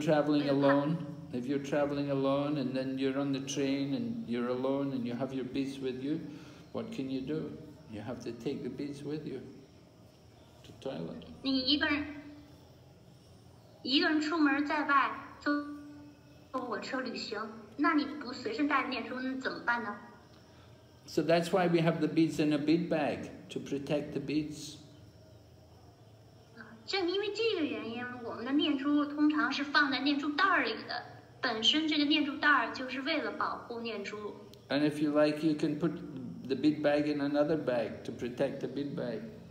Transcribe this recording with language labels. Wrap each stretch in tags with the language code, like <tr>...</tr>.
<en>If you're traveling alone, and then you're on the train and you're alone and you have your beads with you, what can you do? You have to take the beads with you. Toilet.</en> <zh>你一个人出门在外坐火车旅行，那你不随身带念珠，那怎么办呢？</zh> <en>So that's why we have the beads in a bead bag to protect the beads.</en> <zh>正因为这个原因，我们的念珠通常是放在念珠袋里的，本身这个念珠袋就是为了保护念珠。</zh> <en>And if you like, you can put the bead bag in another bag to protect the bead bag.</en>